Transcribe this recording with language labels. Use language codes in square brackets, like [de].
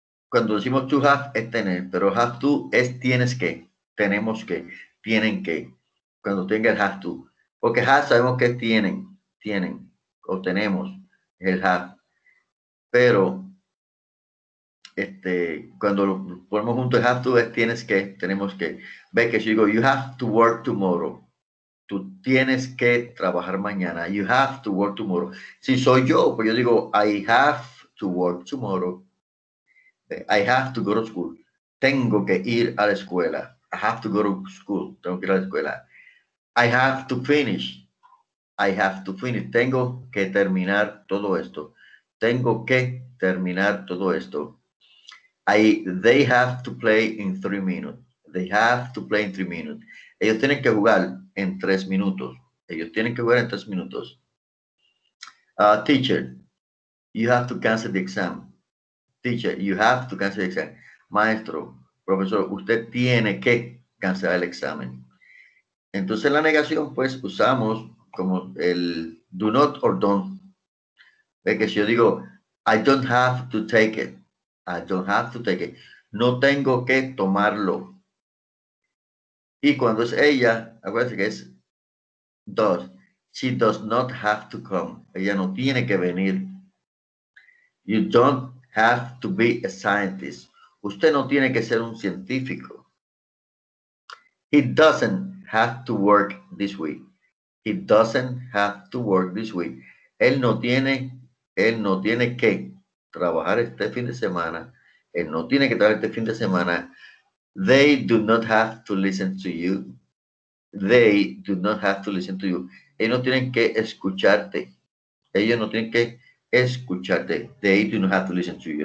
[es] Cuando decimos to have es tener, pero have to es tienes que, tenemos que, tienen que. Cuando tenga el have to. Porque have sabemos que tienen o tenemos el have. Pero cuando lo ponemos junto, el have to es tienes que, tenemos que. Ve que si digo, [en] you have to work tomorrow. [es] Tú tienes que trabajar mañana. [en] You have to work tomorrow. [es] Si soy yo, pues yo digo, [en] I have to work tomorrow. I have to go to school. [es] Tengo que ir a la escuela. [en] I have to go to school. [es] Tengo que ir a la escuela. [en] I have to finish. I have to finish. [es] Tengo que terminar todo esto. Tengo que terminar todo esto. [en] They have to play in 3 minutes. They have to play in 3 minutes. [es] Ellos tienen que jugar en 3 minutos. Ellos tienen que jugar en 3 minutos. [en] Teacher, you have to cancel the exam. Teacher, you have to cancel the exam. [es] Maestro, profesor, usted tiene que cancelar el examen. Entonces, en la negación, pues, usamos como el do not or don't. [en] Ve que si yo digo, I don't have to take it. I don't have to take it. [es] No tengo que tomarlo. Y cuando es ella, acuérdense que es does. [en] She does not have to come. [es] Ella no tiene que venir. [en] You don't have to be a scientist. [es] Usted no tiene que ser un científico. [en] He doesn't have to work this week. He doesn't have to work this week. [es] Él no tiene que trabajar este fin de semana. Él no tiene que trabajar este fin de semana. [en] They do not have to listen to you. They do not have to listen to you. [es] Ellos no tienen que escucharte. Ellos no tienen que escucharte. [en] They do not have to listen to you.